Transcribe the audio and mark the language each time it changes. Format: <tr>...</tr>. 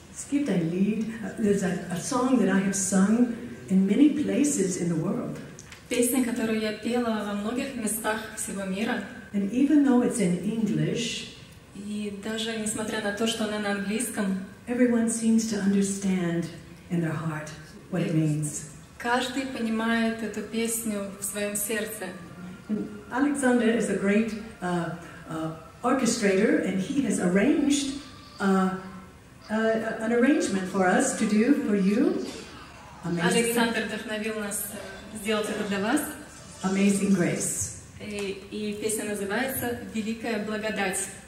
<de>gibt ein Lied,</de> <en>there's a song that I have sung in many places in the world.</en> <ru>Песня, которую я пела во многих местах всего мира.</ru> <en>And even though it's in English,</en> <ru>и даже несмотря на то, что она на английском,</ru> <en>everyone seems to understand in their heart what it means.</en> <ru>Каждый понимает эту песню в своем сердце.</ru> <en>And Alexander is a great orchestrator, and he has arranged an arrangement for us to do for you. Amazing.</en> <ru>Александр вдохновил нас сделать это для вас.</ru> <en>Amazing Grace.</en> <ru>И песня называется «Великая благодать».</ru>